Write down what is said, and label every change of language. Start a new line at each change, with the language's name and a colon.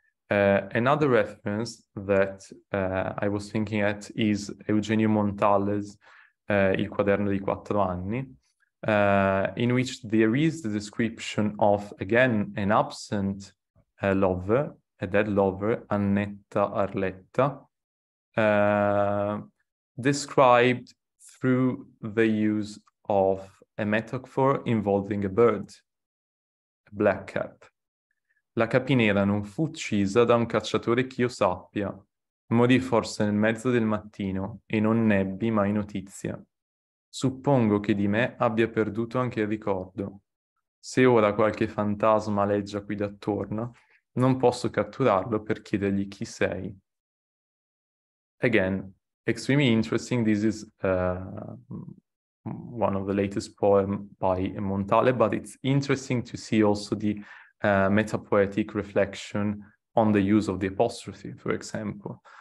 English: Another reference that I was thinking at is Eugenio Montale's Il Quaderno di Quattro Anni, in which there is the description of, again, an absent lover, a dead lover, Annetta Arletta, described through the use of a metaphor involving a bird, a black cap.
Italian: La capinera non fu uccisa da un cacciatore ch'io sappia. Morì forse nel mezzo del mattino e non n'ebbi mai notizia. Suppongo che di me abbia perduto anche il ricordo. Se ora qualche fantasma aleggia qui d'attorno, non posso catturarlo per chiedergli chi sei.
English: Again, extremely interesting. This is one of the latest poems by Montale, but it's interesting to see also the metapoetic reflection on the use of the apostrophe, for example.